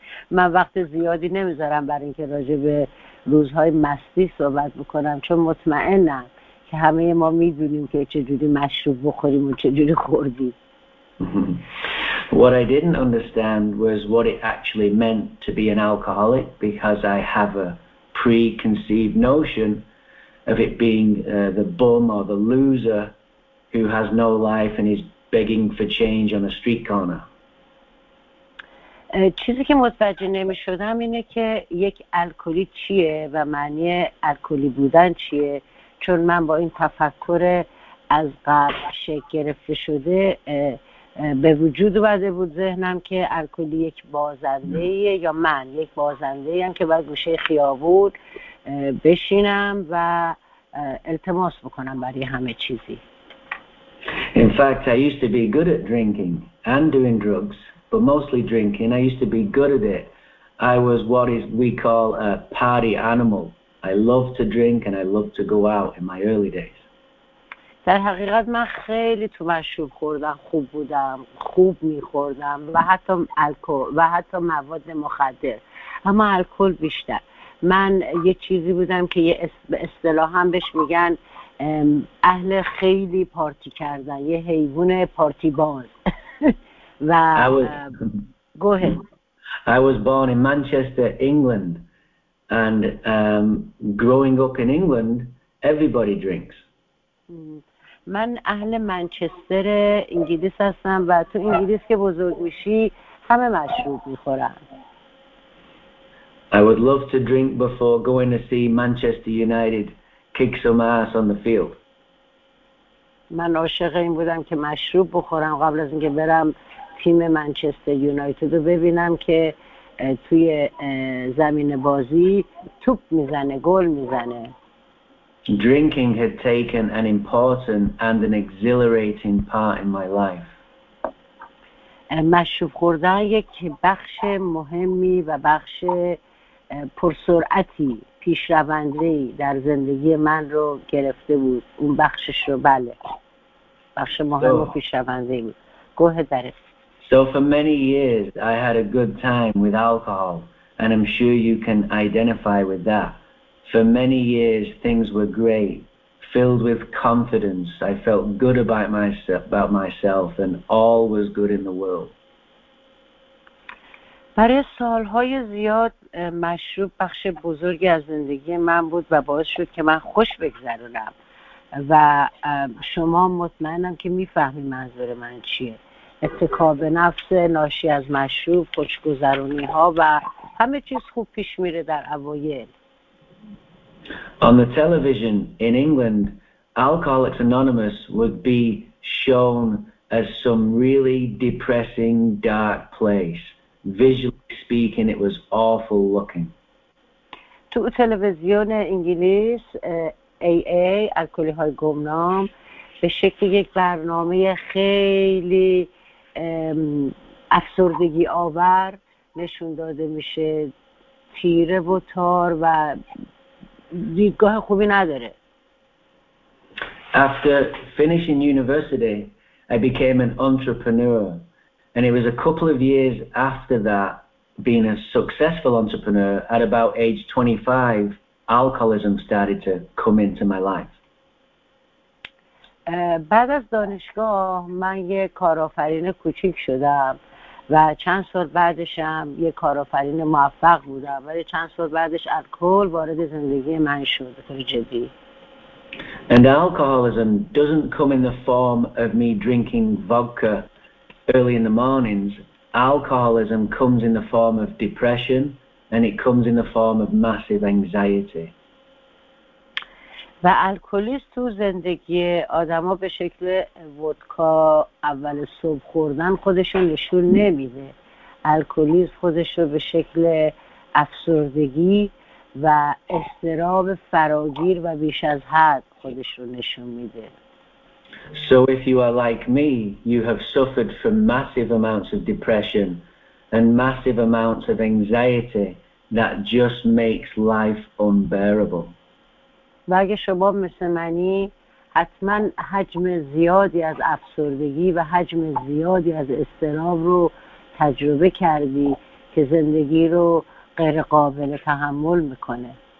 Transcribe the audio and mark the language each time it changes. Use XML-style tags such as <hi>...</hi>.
<fa>من وقت زیادی نمیذارم برای اینکه راجع به روزهای مستی صحبت بکنم، چون مطمئنم که همه ما میدونیم که چجوری مشروب بخوریم و چجوری خوردیم.</fa> <en>What I didn't understand was what it actually meant to be an alcoholic because I have a preconceived notion of it being the bum or the loser who has no life and is begging for change on a street corner.</en> <fa>چیزی که متوجه نمی‌شدم اینه که یک الکلی چیه و معنی الکلی بودن چیه، چون من با این تفکر از قبل شکل گرفته شده به وجود اومده بود ذهنم که الکلی یک بازنده‌ایه یا من یک بازنده‌ایم که باید گوشه خیابون بشینم و التماس بکنم برای همه چیزی.</fa> <en>In fact, I used to be good at drinking and doing drugs, but mostly drinking. I used to be good at it. I was what is we call a party animal. I loved to drink and I loved to go out in my early days.</en> <fa>در حقیقت من خیلی تو مشروب خوردن خوب بودم، خوب می‌خوردم و حتی الکل و حتی مواد مخدر، اما الکل بیشتر. من یه چیزی بودم که به اصطلاح هم بهش میگن اهل خیلی پارتی کردن، یه حیوان پارتی باز. و</fa> <en>go ahead. I was born in Manchester, England, and growing up in England, everybody drinks.</en> <fa>من اهل منچستر انگلیس هستم و تو انگلیس که بزرگ میشی همه مشروب میخورن.</fa> <en>I would love to drink before going to see Manchester United kick some ass on the field.</en> <fa>من عاشق این بودم که مشروب بخورم قبل از اینکه برم تیم منچستر یونایتد رو ببینم که توی زمین بازی توپ میزنه، گل میزنه.</fa> <en>Drinking had taken an important and an exhilarating part in my life.</en> <fa>مشروب خوردن یک بخش مهمی و بخش پرسرعتی پیشرونده‌ای در زندگی من رو گرفته بود. اون بخشش رو بله، بخش مهم و پیشرونده‌ای بود. گوه داره.</fa> <en>So for many years I had a good time with alcohol and I'm sure you can identify with that. For many years things were great, filled with confidence. I felt good about myself and all was good in the world.</en> <fa>برای سالهای زیاد مشروب بخش بزرگی از زندگی من بود و باعث شد که من خوش بگذرونم و شما مطمئنم که میفهمی منظور من چیه. اتکا به نفس ناشی از مشروب، خوشگذرونی ها و همه چیز خوب پیش میره در اوایل.</fa> <en>On the television in England, Alcoholics Anonymous would be shown as some really depressing dark place. Visually speaking, it was awful looking.</en> <fa>تو تلویزیون انگلیس AA الکلی های گمنام به شکل یک برنامه خیلی افسردگی آور نشون داده میشه، تیره و تار و دیدگاه خوبی نداره.</fa> <en>After finishing university, I became an entrepreneur, and it was a couple of years after that, being a successful entrepreneur, at about age 25, alcoholism started to come into my life.</en> <fa>بعد از دانشگاه من یه کارآفرین کوچیک شدم و چند سال بعدشم یه کارآفرین موفق بودم، ولی چند سال بعدش الکل وارد زندگی من شد به طور جدی.</fa> <en>And alcoholism doesn't come in the form of me drinking vodka early in the mornings. Alcoholism comes in the form of depression, and it comes in the form of massive anxiety.</en> <fa>و الکلیسم تو زندگی آدم‌ها به شکل ودکا اول صبح خوردن خودشو نشون نمیده. الکلیسم خودشو به شکل افسردگی و استراب فراگیر و بیش از حد خودش رو نشون میده.</fa> <en>So if you are like me, you have suffered from massive amounts of depression and massive amounts of anxiety that just makes life unbearable.</en> <fa>و اگه شما مثل منی، حتما حجم زیادی از افسردگی و حجم زیادی از استراب رو تجربه کردی که زندگی رو غیر قابل تحمل میکنه.</fa>